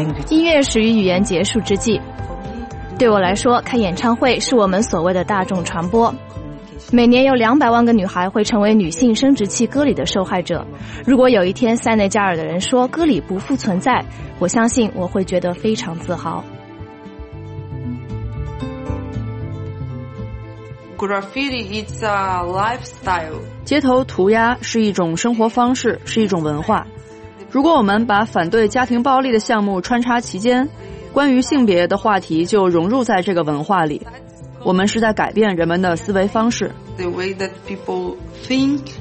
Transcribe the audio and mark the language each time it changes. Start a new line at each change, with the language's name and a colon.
Chinese: 音乐始于语言结束之际，对我来说，看演唱会是我们所谓的大众传播。每年有200万个女孩会成为女性生殖器割礼的受害者。如果有一天塞内加尔的人说割礼不复存在，我相信我会觉得非常自豪。
English: Graffiti is a lifestyle.
Chinese: 街头涂鸦是一种生活方式，是一种文化。如果我们把反对家庭暴力的项目穿插其间，关于性别的话题就融入在这个文化里。我们是在改变人们的思维方式。
English: The way that people think.